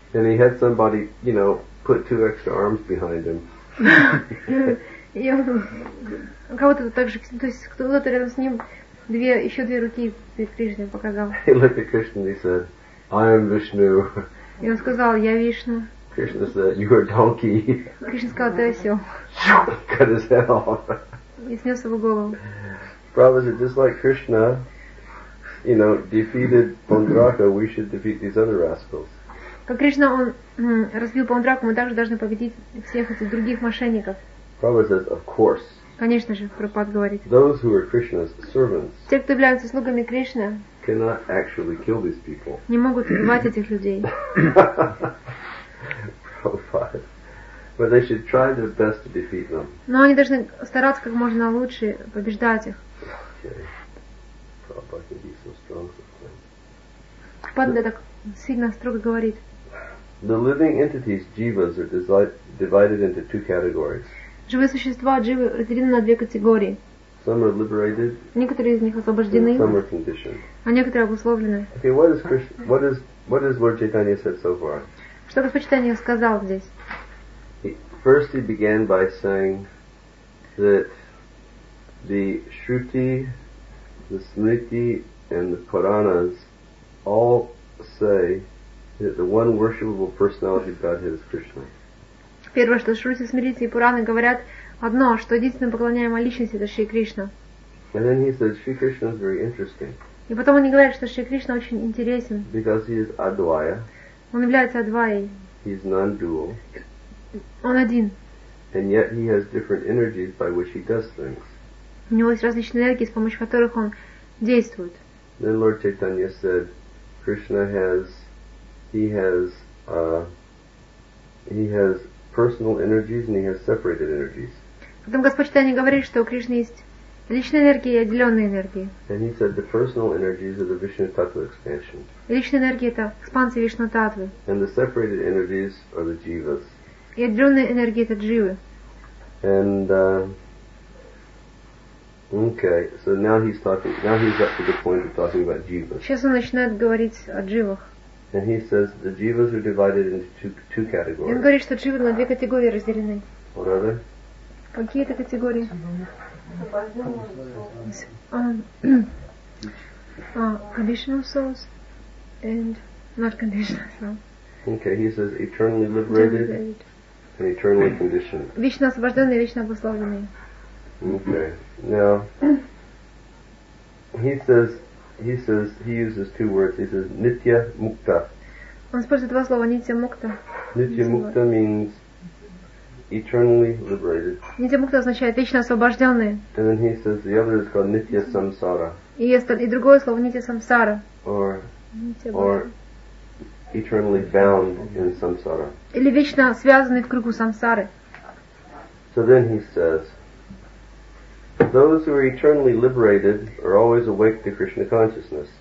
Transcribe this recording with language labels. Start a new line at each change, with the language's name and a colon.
English: And he had somebody, you know, put two extra arms behind him.
Russian: Кого-то так же, то есть кто-то рядом с ним еще две руки перед Кришной показал.
English: He looked at Krishna and he said, "I am Vishnu."
Russian: И он сказал, я Вишна.
English: Кришна said, you are donkey.
Russian: Кришна сказал, ты осел.
English: Cut his head off.
Russian: И снес его голову.
English: Prabhupada, just like Krishna, you know, defeated Pundraka, we should defeat these other rascals.
Russian: Как Кришна, он разбил Пундраку, мы также должны победить всех этих других мошенников.
English: Prabhupada says, of course.
Russian: Конечно же, Прабхупада говорит.
English: Those who are Krishna's servants.
Russian: Те, кто являются слугами Кришны.
English: Cannot actually kill these people.
Russian: Не могут убивать этих людей.
English: But they should try their best to defeat them.
Russian: Но они должны стараться как можно лучше побеждать их. Прабхупада так сильно строго говорит.
English: The living entities, jivas, are divided into two categories.
Russian: Живые существа, дживы, разделены на две категории.
English: Some are liberated.
Russian: Некоторые из них освобождены.
English: Some are conditioned.
Russian: А некоторые обусловлены.
English: Okay, what is Lord Chaitanya said so far?
Russian: Что Господь Чайтанья сказал здесь?
English: First he began by saying that the Shruti, the Smriti, and the Puranas all say that the one worshipable personality of Godhead is Krishna.
Russian: Первое, что Шрути, Смирити и Пураны говорят одно, что единственная поклоняемая личность это Шри Кришна.
English: And then he said, Shri Krishna is very interesting.
Russian: И потом они говорят, что Шри Кришна очень интересен.
English: Because he is Адвая.
Russian: Он является Адвайей.
English: He is non-dual.
Russian: Он один.
English: And yet he has different energies by which he does things.
Russian: У него есть различные энергии, с помощью которых он действует.
English: Then Lord Chaitanya said, Krishna has, he has personal energies and he has separated energies.
Russian: Потом Господь Чайтанья говорит, что у Кришны есть личные энергии и отделенные энергии.
English: And he said the personal energies are the Vishnu Tattva expansion.
Russian: Личные энергии это экспансия Вишну Таттвы.
English: And the separated energies are the jivas.
Russian: И отделенные энергии это дживы.
English: And okay, so now he's talking. Now he's up to the point of talking about jivas.
Russian: Сейчас он начинает говорить о дживах.
English: And he says the jivas are divided into two categories.
Russian: Он говорит, что дживы на две категории разделены.
English: What are they?
Russian: Какие это категории?
English: Conditional souls and not conditional souls. Okay, he says eternally liberated and eternally conditioned.
Russian: Вечно освобожденные, вечно обусловленные.
English: Okay, now he says he uses two words. He says nitya mukta.
Russian: Он использует два слова nitya mukta.
English: Nitya mukta means eternally liberated.
Russian: Нитямукта означает вечно освобожденные.
English: And then he says the other is called Nitya Samsara.
Russian: И другое слово Nitya Samsara.
English: Or eternally bound in samsara.
Russian: Или вечно связанный в кругу самсары.
English: So then he says, those who are eternally liberated are always awake to Krishna consciousness.